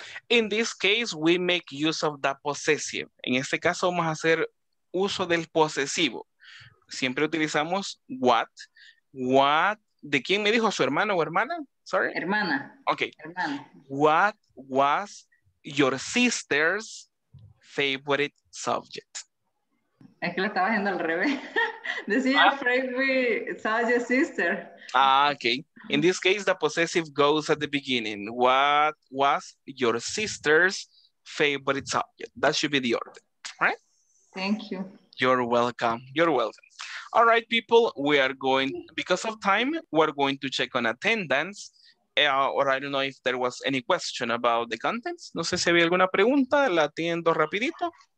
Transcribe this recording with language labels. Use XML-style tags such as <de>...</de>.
<en>In this case, we make use of the possessive.</en> <es>En este caso, vamos a hacer uso del posesivo. Siempre utilizamos what. What, ¿de quién me dijo? ¿Su hermano o hermana? Sorry. Hermana.</es> <en>Okay.</en> <es>Hermana.</es> <en>What was your sister's favorite subject?</en> <es>Es que lo estaba haciendo al revés. Decía</es> <en>favorite subject sister. Ah, okay. In this case, the possessive goes at the beginning. What was your sister's favorite subject? That should be the order, right? Thank you. You're welcome. You're welcome. All right, people, we are going, because of time, we're going to check on attendance. Or I don't know if there was any question about the contents.</en> <es>No sé si había alguna pregunta, la atiendo rapidito.</es>